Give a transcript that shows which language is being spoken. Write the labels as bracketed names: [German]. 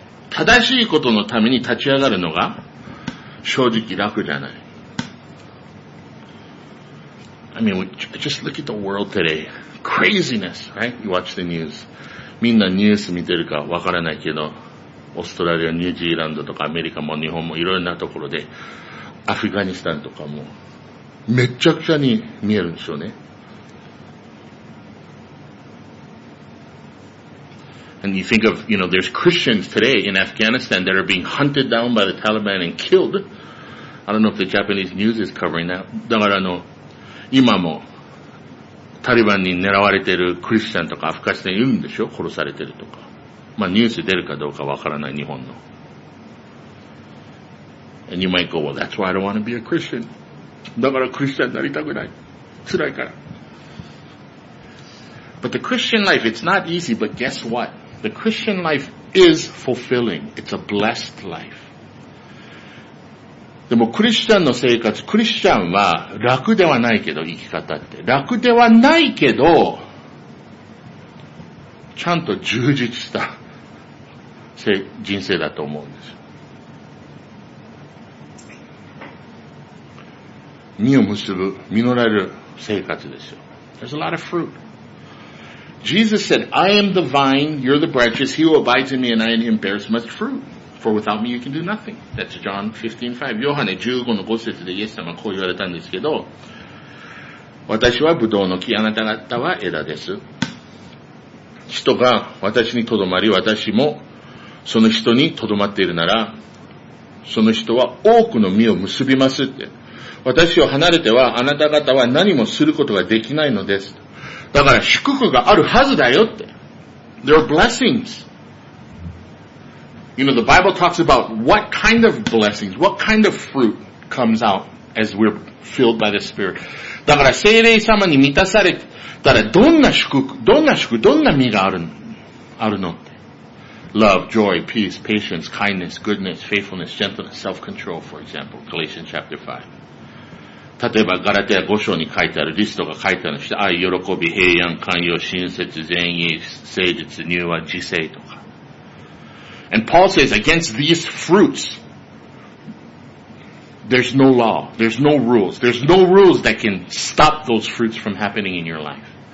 [Japanese] 正しいことのために立ち上がるのが正直楽じゃない。 [English] I mean, just look at the world today. Craziness, right? You watch the news. [Japanese] みんなニュース見てるかわからないけど、オーストラリア、ニュージーランドとかアメリカも日本もいろんなところで、アフガニスタンとかも、めっちゃくちゃに見えるんですよね。 [English] And you think of, you know, there's Christians today in Afghanistan that are being hunted down by the Taliban and killed. I don't know if the Japanese news is covering that. [Japanese] だから今も、タリバンに狙われてるクリスチャンとかアフガニスタンいるんでしょ？殺されてるとか。まあニュース出るかどうかわからない日本の。 [English] And you might go, well, that's why I don't want to be a Christian. [Japanese] だからクリスチャンになりたくない。辛いから。 [English] But the Christian life, it's not easy, but guess what? The Christian life is fulfilling. It's a blessed life. [Japanese] でもクリスチャンの生活、クリスチャンは楽ではないけど、生き方って。楽ではないけど、ちゃんと充実した人生だと思うんです。実を結ぶ、実られる生活ですよ。 [English] There's a lot of fruit. Jesus said, I am the vine, you're the branches, he who abides in me and I in him bears much fruit. For without me you can do nothing. That's John 15:5. [Japanese] ヨハネ15の5節でイエス様はこう言われたんですけど、私はブドウの木、あなた方は枝です。人が私にとどまり、私もその人にとどまっているなら、その人は多くの実を結びますって。私を離れてはあなた方は何もすることができないのです。だから祝福があるはずだよって。 [English] There are blessings. You know, the Bible talks about what kind of blessings, what kind of fruit comes out as we're filled by the Spirit. [Japanese] だから聖霊様に満たされたらどんな祝福、どんな祝福、どんな実があるの、あるの。 [English] Love, joy, peace, patience, kindness, goodness, faithfulness, gentleness, self-control, for example, Galatians chapter 5. [Japanese] 例えばガラテア5章に書いてあるリストが書いてあるして、愛、喜び、平安、寛容、親切、善意、誠実、柔和、自制とか。 [English] And Paul says, against these fruits, there's no law, there's no rules, there's no rules that can stop those fruits from happening in your life.